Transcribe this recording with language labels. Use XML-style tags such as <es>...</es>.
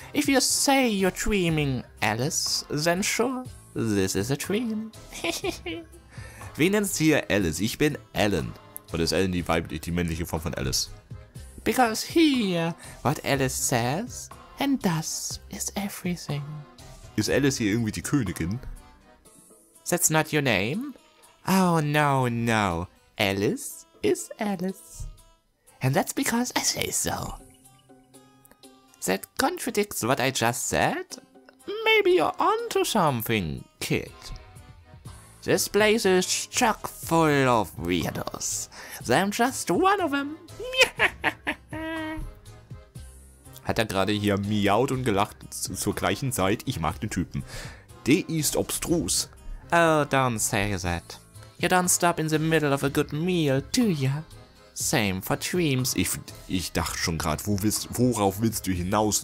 <en>If you say you're dreaming, Alice, then sure, this is a dream.</en> <de>Wen nennst du hier Alice? Ich bin Alan. Oder ist Alan die männliche Form von Alice?</de> <en>Because here, what Alice says and does is everything.</en> <de>Ist Alice hier irgendwie die Königin?</de> <en>That's not your name? Oh no, no. Alice is Alice. And that's because I say so. That contradicts what I just said? Maybe you're onto something, kid. This place is chock full of weirdos. I'm just one of them.</en> <de>Hat er gerade hier miaut und gelacht zur gleichen Zeit? Ich mag den Typen. Der ist obstrus.</de> <en>Oh, don't say that. You don't stop in the middle of a good meal, do you? Same for dreams.</en> <de>Ich dachte schon gerade, worauf willst du hinaus?</de>